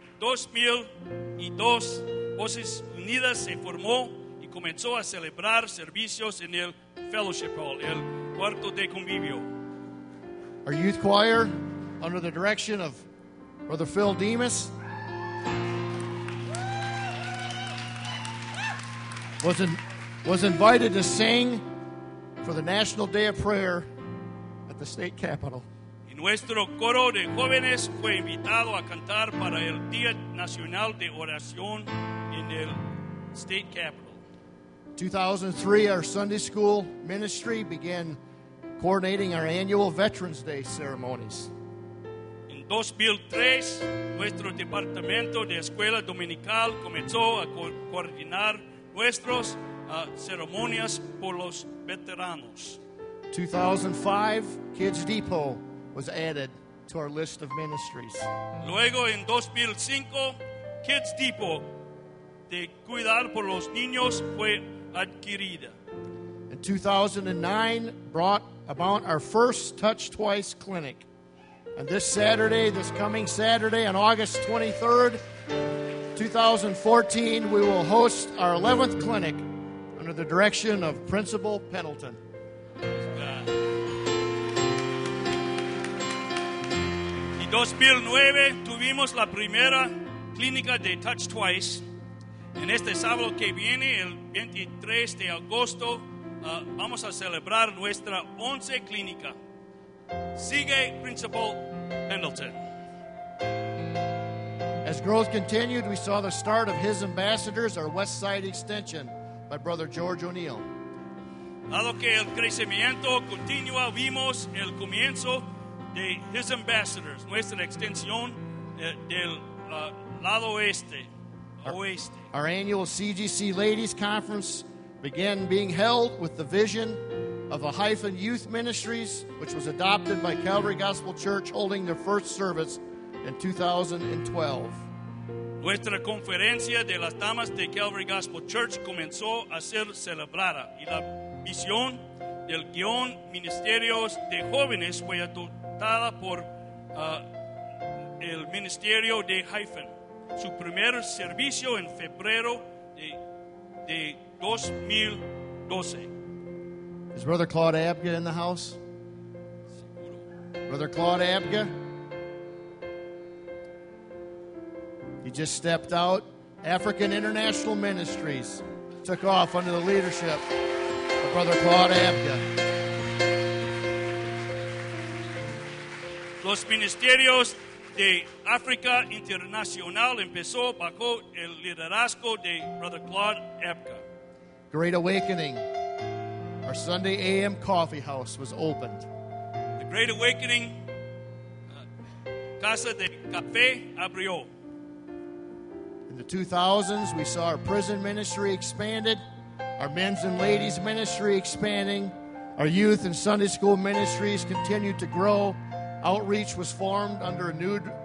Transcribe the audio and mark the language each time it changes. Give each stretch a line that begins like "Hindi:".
Spanish: En 2002, Voces Unidas se formó y comenzó a celebrar servicios en el Fellowship Hall, el cuarto de convivio.
English: Our youth choir, under the direction of Brother Phil Demas, was invited to sing for the National Day of Prayer at the state capitol.
Spanish: Nuestro coro de jóvenes fue invitado a cantar para el Día Nacional de Oración en el State Capitol.
English: 2003, our Sunday school ministry began coordinating our annual Veterans Day ceremonies.
Spanish: En 2003, nuestro departamento de escuela dominical comenzó a coordinar nuestras ceremonias por los veteranos.
English: 2005, Kids Depot was added to our list of ministries.
Spanish: Luego, en 2005, Kids Depot de Cuidar por los Niños fue adquirida.
English: In 2009, brought about our first Touch Twice clinic. And this coming Saturday, on August 23rd, 2014, we will host our 11th clinic under the direction of Principal Pendleton.
Spanish: En 2009 tuvimos la primera clínica de Touch Twice. En este sábado que viene, el 23 de agosto, vamos a celebrar nuestra 11 clínica. Sigue Principal Pendleton.
English: As growth continued, we saw the start of His Ambassadors, our West Side Extension, by Brother George O'Neill.
Spanish: Dado que el crecimiento continúa, vimos el comienzo de His Ambassadors, nuestra extensión del lado oeste.
English: Our annual CGC Ladies Conference began being held with the vision of the Hyphen Youth Ministries, which was adopted by Calvary Gospel Church, holding their first service in 2012.
Spanish: Nuestra conferencia de las damas de Calvary Gospel Church comenzó a ser celebrada, y la visión del guión Ministerios de Jóvenes fue adoptada por el Ministerio de Hyphen, su primer servicio en febrero de 2012.
English: Is Brother Claude Abga in the house?
Spanish: Seguro.
English: Brother Claude Abga? He just stepped out. African International Ministries took off under the leadership of Brother Claude Abga.
Spanish: Los ministerios de África Internacional empezó bajo el liderazgo de Brother Claude Epka.
English: Great Awakening, our Sunday AM coffee house was opened.
Spanish: The Great Awakening, Casa de Café abrió.
English: In the 2000s, we saw our prison ministry expanded, our men's and ladies ministry expanding, our youth and Sunday school ministries continued to grow. Outreach was formed under a new